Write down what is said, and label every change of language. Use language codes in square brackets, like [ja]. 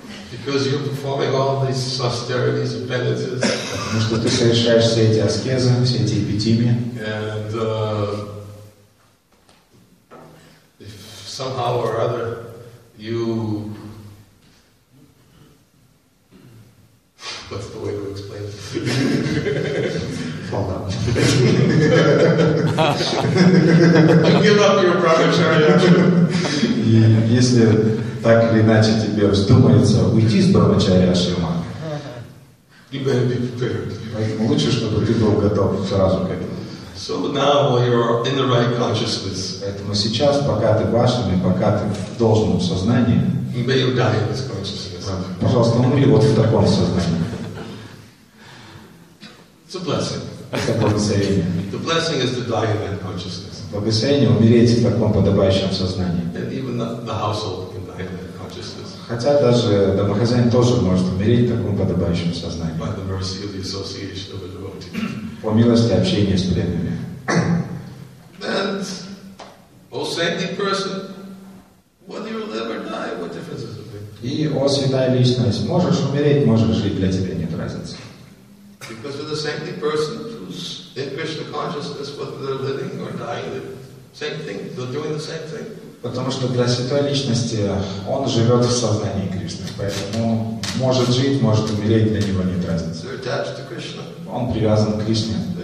[en] Because you're performing all these austerities and penances. [ru] Потому что ты совершаешь все эти аскезы, все эти эпитимии. [en] And if somehow or other you, what's the way to explain it? Fall down. Give up your brahmacharya. [ru] И если так или иначе тебе вздумается уйти с брахмачарья ашрама. Поэтому лучше, чтобы ты был готов сразу к этому. [en] So now, while you're in the right consciousness, [ru] поэтому сейчас, пока ты в ашраме, пока ты в должном сознании, [en] may you die in this consciousness. [ru] Пожалуйста, умри вот в таком сознании. [en] It's a blessing. [ru] Это благословение. [en] The blessing is to die in that consciousness. [ru] Благословение — умереть в таком подобающем сознании. [en] And even the household. [ru] Хотя даже домохозяин тоже может умереть в таком подобающем сознании. [en] By the mercy of the association of a devotee. [ru] По милости общения с преданными. [en] And, O saintly person, whether you live or die, what difference does it make? [ru] И, о святая личность, можешь умереть, можешь жить, для тебя нет разницы. [en] Because for the saintly person who's in Krishna consciousness, whether they're living or dying, same thing, they're doing the same thing. [ru] Потому что для святой личности он живет в сознании Кришны. Поэтому может жить, может умереть, для него нет разницы. Он привязан к Кришне.